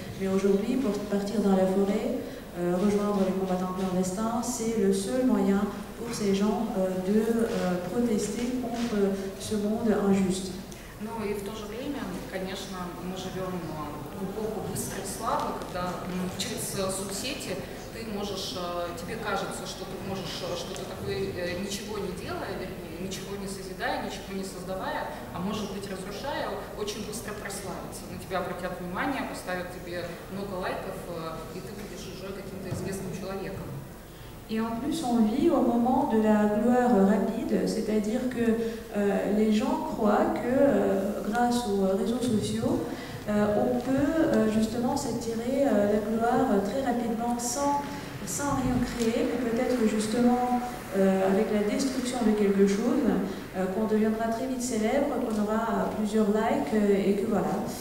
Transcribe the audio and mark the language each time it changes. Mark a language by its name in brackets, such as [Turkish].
[French] Mais aujourd'hui, pour partir dans la forêt, rejoindre les combattants clandestins, c'est le seul moyen pour ces gens de protester contre ce monde injuste. [Russian] Ну и в то же время, конечно, мы живем в эпоху быстрой славы, когда через соцсети ты можешь, тебе кажется, что ты можешь что-то такое ничего не делая, вернее, ничего не созидая, ничего не создавая, а может быть разрушая, очень быстро прославиться. На тебя обратят внимание, поставят тебе много лайков, и ты будешь уже каким-то известным человеком. [French] Et en plus, on vit au moment de la gloire rapide, c'est-à-dire que les gens croient que grâce aux réseaux sociaux, on peut justement s'attirer la gloire très rapidement sans rien créer, mais peut-être justement avec la destruction de quelque chose, qu'on deviendra très vite célèbre, qu'on aura plusieurs likes et que voilà.